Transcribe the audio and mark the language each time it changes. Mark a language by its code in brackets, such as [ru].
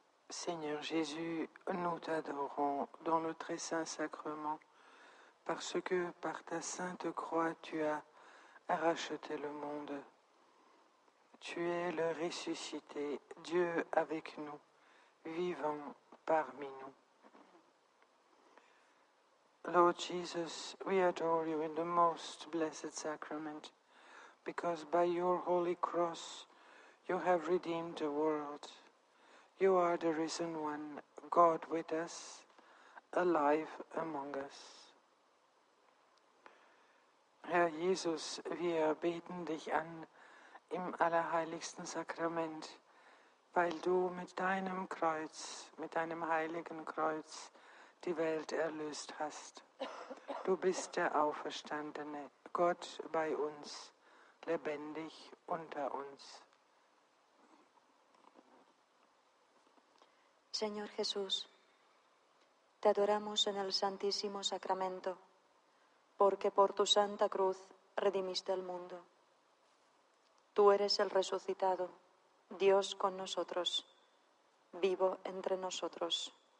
[fr] Seigneur Jésus, nous t'adorons dans le très saint sacrement, parce que par ta sainte croix tu as racheter le monde. Tu es le ressuscité, Dieu avec nous, vivant parmi nous. [en] Lord Jesus, we adore you in the most blessed sacrament, because by your holy cross you have redeemed the world. You are the risen one, God with us, alive among us. [de] Herr Jesus, wir beten dich an im allerheiligsten Sakrament, weil du mit deinem Kreuz, mit deinem heiligen Kreuz, die Welt erlöst hast. Du bist der Auferstandene, Gott bei uns, lebendig unter uns. [es] Señor Jesús, te adoramos en el Santísimo Sacramento. Porque por tu santa cruz redimiste el mundo. Tú eres el resucitado, Dios con nosotros, vivo entre nosotros.